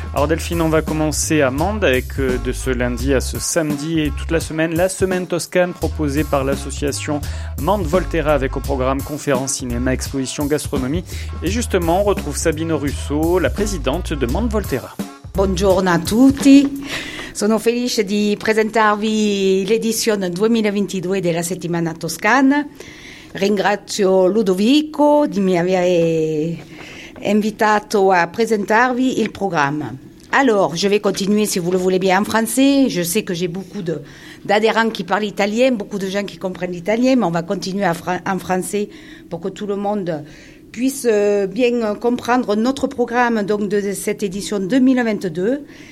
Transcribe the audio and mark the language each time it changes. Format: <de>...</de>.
<fr>Alors Delphine, on va commencer à Mende avec de ce lundi à ce samedi et toute la semaine Toscane proposée par l'association Mende Volterra avec au programme conférences, cinéma, exposition, gastronomie. Et justement, on retrouve Sabine Russo, la présidente de Mende Volterra. Bonjour à</fr> <it>tutti. Sono felice di presentarvi l'edizione 2022 della Settimana Toscana. Ringrazio Ludovico di mi avere invitato a presentarvi il programma.</it> <fr>Alors, je vais continuer si vous le voulez bien en français. Je sais que j'ai beaucoup d'adhérents qui parlent italien, beaucoup de gens qui comprennent l'italien, mais on va continuer en français pour que tout le monde puisse bien comprendre notre programme donc de cette édition 2022.</fr>